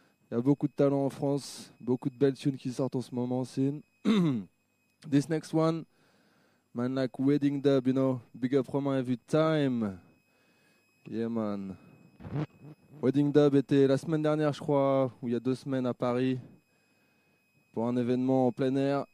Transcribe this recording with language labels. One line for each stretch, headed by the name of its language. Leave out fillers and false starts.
French: Il y a beaucoup de talent en France, beaucoup de belles tunes qui sortent en ce moment aussi.
English: This next one, man like Wedding Dub, you know, big up Romain every time. Yeah man.
French: Wedding Dub était la semaine dernière, je crois, ou il y a 2 semaines à Paris, pour un événement en plein air.